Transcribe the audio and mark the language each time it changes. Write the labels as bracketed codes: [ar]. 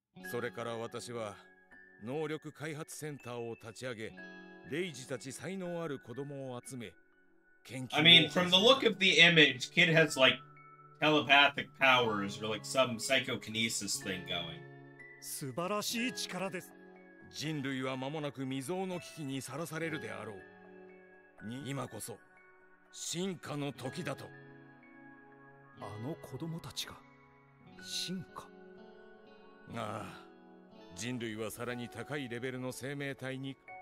[ja] それから私は能力開発センターを立ち上げ、レイジたち才能ある子供を集め、研究。 [en] I mean, from the look of the image, kid has like telepathic powers or like some psychokinesis thing going. [ja] 素晴らしい力です。人類は間もなく未曾有の危機にさらされるであろう。今こそ進化の時だと。あの子供たちが進化。ああ、人類はさらに高いレベルの生命体に。